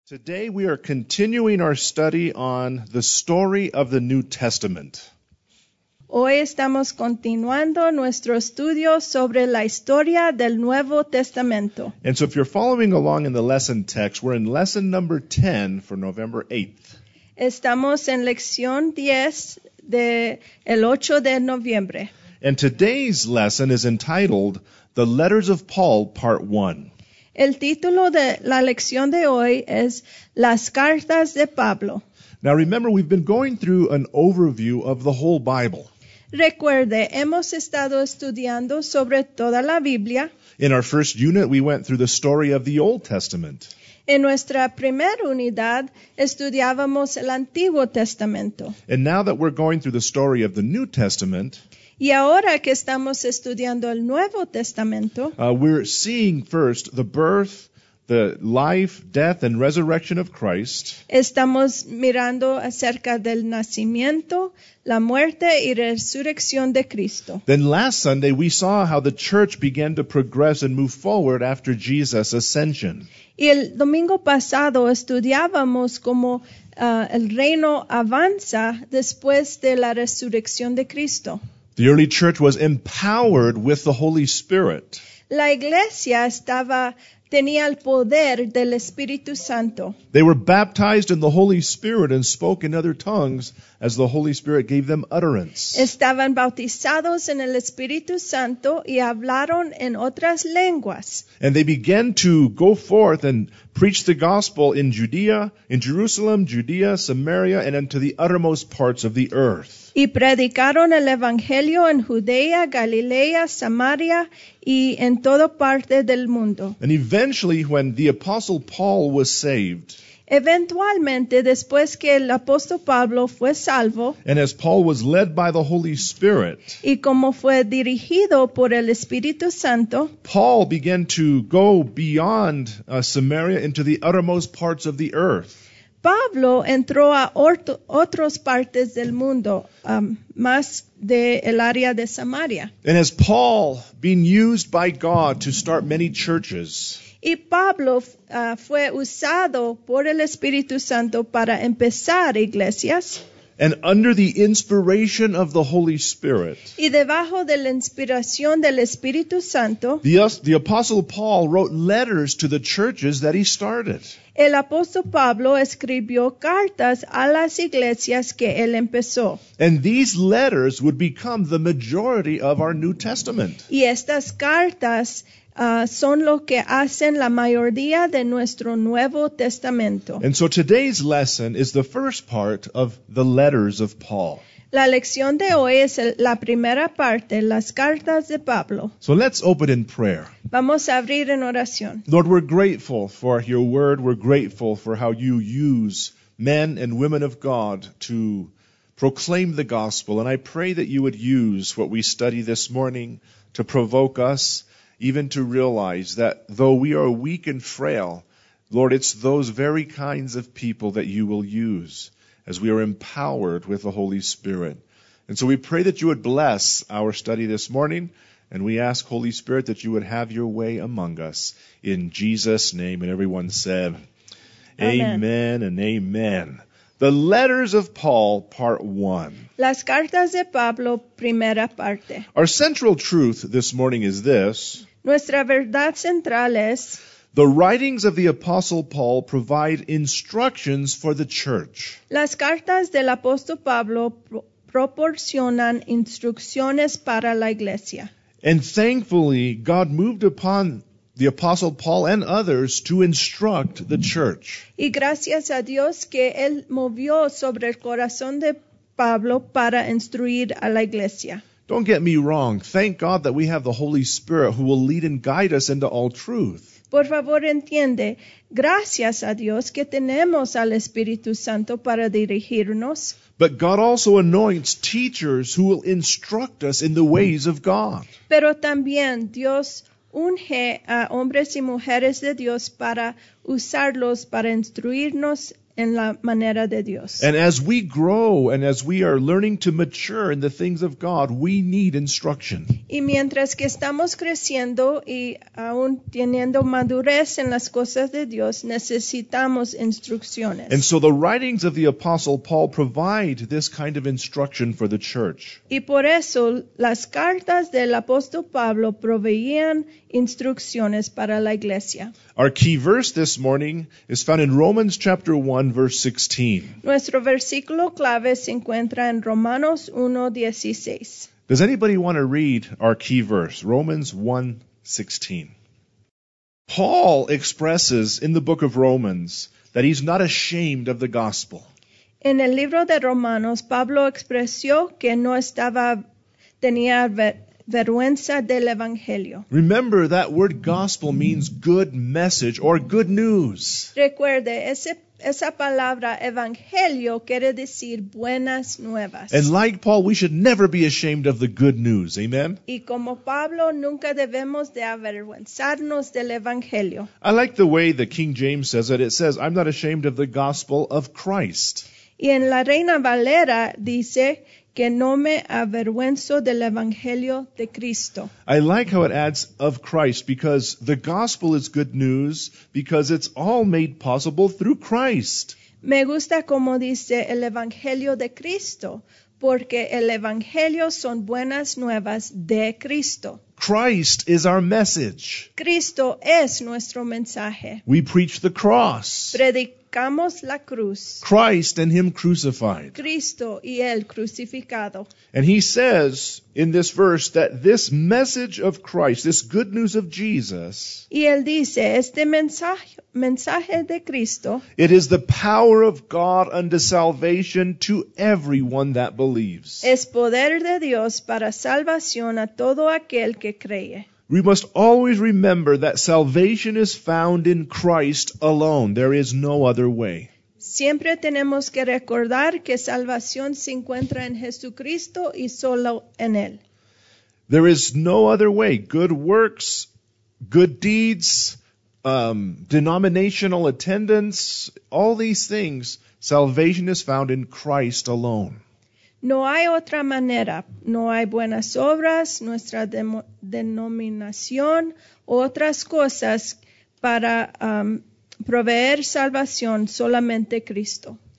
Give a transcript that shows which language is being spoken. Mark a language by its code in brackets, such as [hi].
[en] Today we are continuing our study on the story of the New Testament. [es] Hoy estamos continuando nuestro estudio sobre la historia del Nuevo Testamento. [en] And so if you're following along in the lesson text, we're in lesson number 10 for November 8th. [es] Estamos en lección 10 del 8 de noviembre. [en] And today's lesson is entitled The Letters of Paul, Part 1. [es] El título de la lección de hoy es Las Cartas de Pablo. [en] Now remember, we've been going through an overview of the whole Bible. [es] Recuerde, hemos estado estudiando sobre toda la Biblia. [en] In our first unit, we went through the story of the Old Testament. [es] En nuestra primera unidad, estudiábamos el Antiguo Testamento. [en] And now that we're going through the story of the New Testament, [es] y ahora que estamos estudiando el Nuevo Testamento, [en] we're seeing first the birth, the life, death, and resurrection of Christ. [es] Estamos mirando acerca del nacimiento, la muerte y resurrección de Cristo. [en] Then last Sunday we saw how the church began to progress and move forward after Jesus' ascension. [es] Y el domingo pasado estudiábamos cómo el reino avanza después de la resurrección de Cristo. [en] The early church was empowered with the Holy Spirit. [es] La iglesia tenía el poder del Espíritu Santo. [en] They were baptized in the Holy Spirit and spoke in other tongues as the Holy Spirit gave them utterance. [es] Estaban bautizados en el Espíritu Santo y hablaron en otras lenguas. [en] And they began to go forth and preach the gospel in Judea, in Jerusalem, Judea, Samaria, and unto the uttermost parts of the earth. [es] Y predicaron el Evangelio en Judea, Galilea, Samaria, y en toda parte del mundo. [en] And eventually, when the Apostle Paul was saved, [es] eventualmente, después que el apóstol Pablo fue salvo, [en] and as Paul was led by the Holy Spirit, [es] y como fue dirigido por el Espíritu Santo, [en] Paul began to go beyond Samaria into the uttermost parts of the earth. [es] Pablo entró a otras partes del mundo, más de el área de Samaria. [en] And as Paul being used by God to start many churches, [es] y Pablo fue usado por el Espíritu Santo para empezar iglesias. [en] And under the inspiration of the Holy Spirit, [es] y debajo de la inspiración del Espíritu Santo, [en] the Apostle Paul wrote letters to the churches that he started. [es] El apóstol Pablo escribió cartas a las iglesias que él empezó. [en] And these letters would become the majority of our New Testament. [es] Y estas cartas son lo que hacen la mayoría de nuestro Nuevo Testamento. [en] And so today's lesson is the first part of the letters of Paul. [es] La lección de hoy es la primera parte, las cartas de Pablo. [en] So let's open in prayer. [es] Vamos a abrir en oración. [en] Lord, we're grateful for your word. We're grateful for how you use men and women of God to proclaim the gospel. And I pray that you would use what we study this morning to provoke us, even to realize that though we are weak and frail, Lord, it's those very kinds of people that you will use as we are empowered with the Holy Spirit. And so we pray that you would bless our study this morning, and we ask, Holy Spirit, that you would have your way among us in Jesus' name. And everyone said, amen and amen. The Letters of Paul, Part 1. [es] Las Cartas de Pablo, Primera Parte. [en] Our central truth this morning is this. [es] Nuestra verdad central es, [en] the writings of the Apostle Paul provide instructions for the church. [es] Las Cartas del Apóstol Pablo proporcionan instrucciones para la iglesia. [en] And thankfully, God moved upon the Apostle Paul and others to instruct the church. [es] Y gracias a Dios que él movió sobre el corazón de Pablo para instruir a la iglesia. [en] Don't get me wrong. Thank God that we have the Holy Spirit who will lead and guide us into all truth. [es] Por favor, entiende. Gracias a Dios que tenemos al Espíritu Santo para dirigirnos. [en] But God also anoints teachers who will instruct us in the ways of God. [es] Pero también Dios unge a hombres y mujeres de Dios para usarlos para instruirnos en la manera de Dios. [en] And as we grow and as we are learning to mature in the things of God, we need instruction. [es] Y mientras que estamos creciendo y aún teniendo madurez en las cosas de Dios, necesitamos instrucciones. [en] And so the writings of the Apostle Paul provide this kind of instruction for the church. [es] Y por eso las cartas del apóstol Pablo proveían instrucciones para la iglesia. [en] Our key verse this morning is found in Romans chapter 1, verse 16. [es] Nuestro versículo clave se encuentra en Romanos 1:16. [en] Does anybody want to read our key verse, Romans 1:16? Paul expresses in the book of Romans that he's not ashamed of the gospel. [es] En el libro de Romanos, Pablo expresó que no estaba tenía vergüenza del evangelio. [en] Remember, that word gospel means good message or good news. [es] Recuerde, esa palabra evangelio quiere decir buenas nuevas. [en] And like Paul, we should never be ashamed of the good news. Amen? [es] Y como Pablo, nunca debemos de avergüenzarnos del evangelio. [en] I like the way the King James says it. It says, I'm not ashamed of the gospel of Christ. [es] Y en la Reina Valera dice que no me avergüenzo del evangelio de Cristo. [en] I like how it adds of Christ, because the gospel is good news because it's all made possible through Christ. [es] Me gusta como dice el evangelio de Cristo, porque el evangelio son buenas nuevas de Cristo. [en] Christ is our message. [es] Cristo es nuestro mensaje. [en] We preach the cross. [es] Predicamos la cruz. [en] Christ and Him crucified. [es] Cristo y Él crucificado. [en] And He says in this verse that this message of Christ, this good news of Jesus, [es] y Él dice, este mensaje de Cristo, [en] it is the power of God unto salvation to everyone that believes. [es] Es poder de Dios para salvación a todo aquel que cree. [en] We must always remember that salvation is found in Christ alone. There is no other way. [es] Siempre tenemos que recordar que salvación se encuentra en Jesucristo y solo en Él. [en] There is no other way. Good works, good deeds, denominational attendance, all these things, salvation is found in Christ alone. [es] No hay otra manera. No hay buenas obras, nuestra denominación, otras cosas para proveer salvación, solamente Cristo.